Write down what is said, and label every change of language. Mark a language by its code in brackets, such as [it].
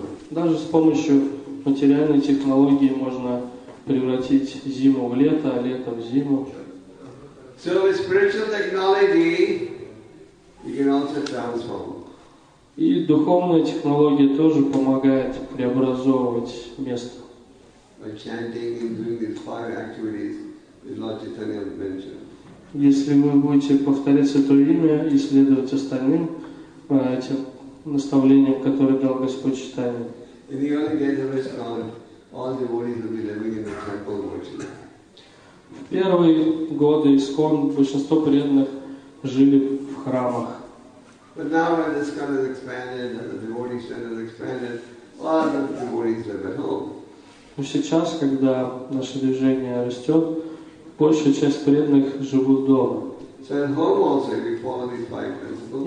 [ru] Даже с помощью материальной технологии можно превратить зиму в лето, а лето в зиму. [en] So with spiritual technology, you can also transform. [ru] И духовная технология тоже помогает преобразовывать место. [en] By chanting and doing these five activities, as Lord Chaitanya mentioned. [ru] Если вы будете повторять это имя и следовать остальным этим наставлениям, которые дал Господь Чайтанья. [en] In the early days of ISKCON, all the devotees will be living in the temple worshiping. [ru] В первые годы ИСКОН большинство преданных жили в храмах. [en] But now when this kind of expanded and the devotee center has expanded, all the devotees live at home. [ru] Но сейчас, когда наше движение растет, большая часть преданных живут дома. [en] So at home also, if you follow these five principles,